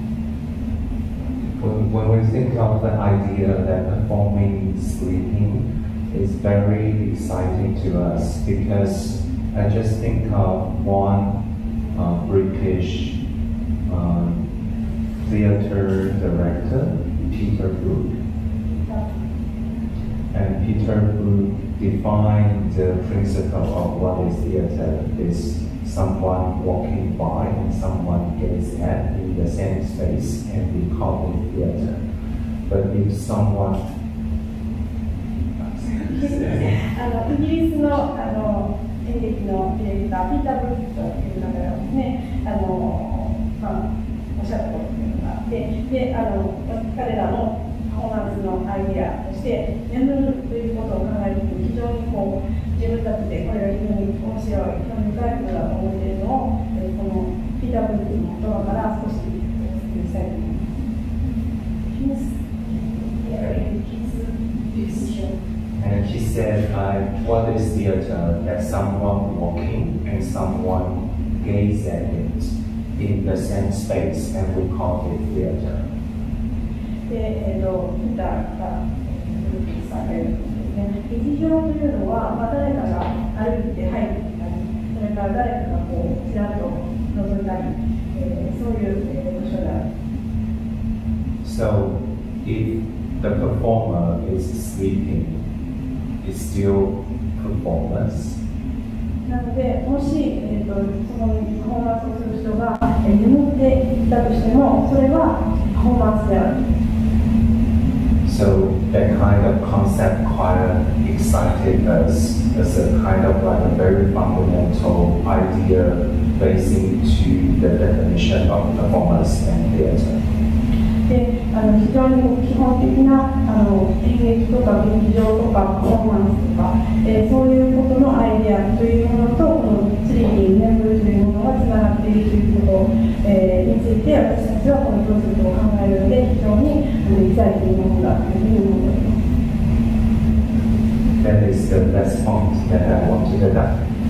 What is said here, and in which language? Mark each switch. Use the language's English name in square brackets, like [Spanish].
[English] When we think of the idea that performing sleeping is very exciting to us, because I just think of one British theater director, Peter Brook. And Peter Brook defined the principle of what is theater is someone walking by and someone gets at in the same space and we call it theater. But if someone... [Japanese] イギリスの演劇のディレクター、ピーター・ブルックという方がですね、おっしゃったことがあって、彼らのパフォーマンスのアイデアとして眠るということを考えると非常にこう自分たちでこれが非常に面白い非常に深いことだと思っているのをこの PW の言葉から少しお伝えしたいと思います。 [English] And he said, what is theater? That someone walking and someone gaze at it in the same space and we call it theater. [Japanese] で、劇場というのは、まあ、誰かが歩いて入ってきたり、それから誰かがこうちらっと覗いたり、そういう場所である。 [English] So, if the performer is sleeping, it's still performance. [Japanese] なので、もし、そのパフォーマンスをする人が眠っていたとしても、それはパフォーマンスである。 [English] So that kind of concept quite excited us as a kind of like a very fundamental idea basing to the definition of performance and theater. [Japanese] で、非常に基本的な演劇とか劇場とかパフォーマンスとか、そういうことのアイデアというものとこのスリーピー、眠るというものがつながっているということ。て、私たちはこのプロセスを考えるので非常にエキサイティングなものだというふうに思います。 [English] That is the best point that I want to get up.